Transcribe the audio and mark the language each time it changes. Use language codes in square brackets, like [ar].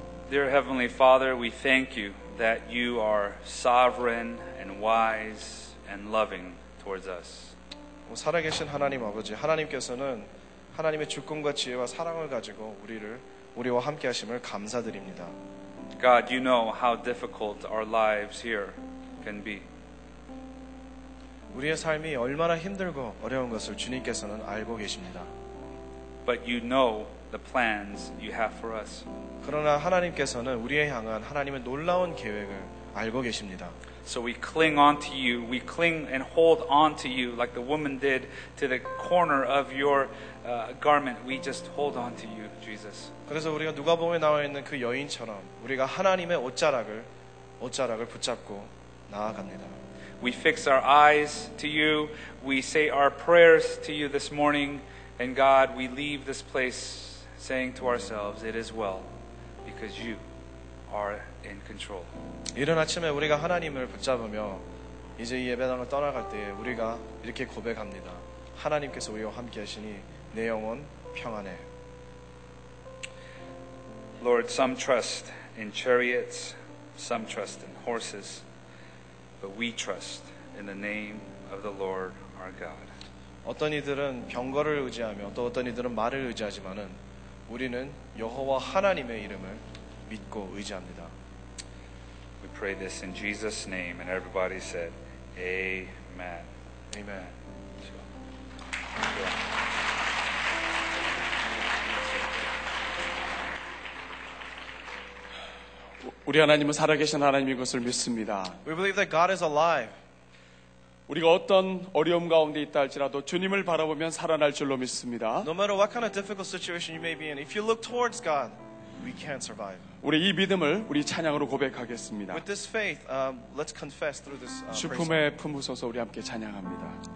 [en] Dear Heavenly Father, we thank you that you are sovereign and wise and loving towards us. [ko] 살아계신 하나님 아버지, 하나님께서는 하나님의 주권과 지혜와 사랑을 가지고 우리와 함께 하심을 감사드립니다. [en] God, you know how difficult our lives here can be. [ko] 우리의 삶이 얼마나 힘들고 어려운 것을 주님께서는 알고 계십니다. [en] But you know the plans you have for us. [ko] 그러나 하나님께서는 우리에 향한 하나님의 놀라운 계획을 알고 계십니다. [en] So we cling on to you. We cling and hold on to you like the woman did to the corner of your garment. We just hold on to you, Jesus. [ko] 그래서 우리가 누가복음에 나와 있는 그 여인처럼 우리가 하나님의 옷자락을 붙잡고 나아갑니다. [en] We fix our eyes to you. We say our prayers to you this morning. And God, we leave this place saying to ourselves, it is well because you are in control. [ko] 이른 아침에 우리가 하나님을 붙잡으며 이제 이 예배당을 떠나갈 때에 우리가 이렇게 고백합니다. 하나님께서 우리와 함께 하시니 내 영혼 평안해. [en] Lord, some trust in chariots, some trust in horses, but we trust in the name of the Lord our God. [ko] 어떤 이들은 병거를 의지하며 또 어떤 이들은 말을 의지하지만은 우리는 여호와 하나님의 이름을 믿고 의지합니다. [en] We pray this in Jesus' name, and everybody said, Amen. Amen. We believe that God is alive. [ko] 우리가 어떤 어려움 가운데 있다 할지라도 주님을 바라보면 살아날 줄로 믿습니다. [en] No matter what kind of difficult situation you may be in, if you look towards God, we can survive. [ko] 우리 이 믿음을 우리 찬양으로 고백하겠습니다. [en] With this faith, let's confess through this. [ko] 주품에 품으소서 우리 함께 찬양합니다.